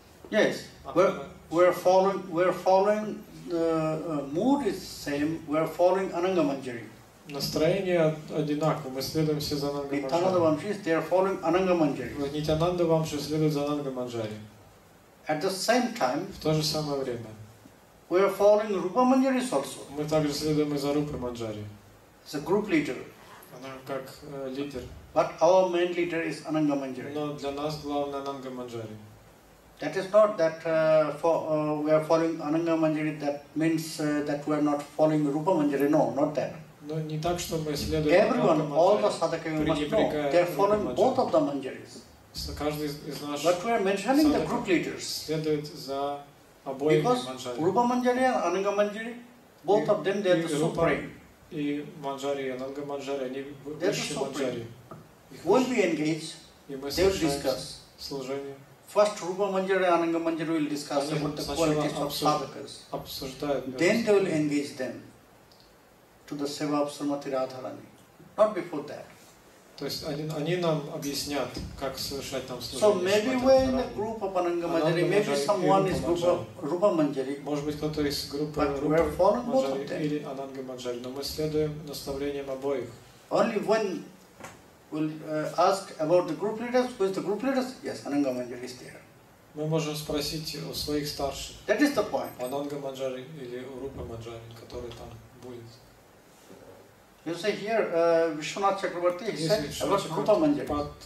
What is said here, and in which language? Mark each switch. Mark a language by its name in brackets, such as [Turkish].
[English] Yes, we're following the mood is same, we're following Ananga Manjari. [Russian] Настроение одинаково, мы следуем все за Ананга Манджари. [English] Nityananda Vamshis, they are following Ananga Manjari. [Russian] Nityananda Vamshis следует за Ананга Манджари. [English] At the same time, [Russian] в то же самое время, [English] we are following Rupa Manjari also. [Russian] Мы также следуем за Рупа Манджари. [English] As a group leader. [Russian] Она как лидер. [English] But our main leader is Ananga Manjari. [Russian] Но для нас главный Ананга Манджари. [English] That is not that we are following Ananga Manjari, that means that we are not following Rupa Manjari, no, not that. [Russian] Но не так, что мы следуем [English] Everyone, all the sadhaka, you must know, they are following both of the Manjaris. But we are mentioning the group leaders. Because Rupa Manjari and Ananga Manjari, both of them, they are the supreme. [Russian] И Манджари, и Ананга Манджари, они высшие Манджари. [English] When we engage, they will discuss. First, Rupa Manjari and Ananga Manjari will discuss about the qualities of sadhakas. Then they will engage them to the seva of Srimati Radharani. Not before that. [Russian] То есть они нам объяснят, как совершать там служение. [English] So maybe we're in a group of Ananga Manjari, maybe someone is group of Rupa Manjari. [Russian] Может быть кто-то из группы Rupa Manjari или Ananga Manjari, но мы следуем наставлениям обоих. [English] Only when we'll ask about the group leaders, who is the group leaders? Yes, Ananga Manjari is there. [Russian] Мы можем спросить у своих старших. [English] That is the point. [Russian] Ананга Манджари или Рупа Манджари, который там будет. [English] You say here, Vishwanath Chakravarti, he said about Rupa Manjari.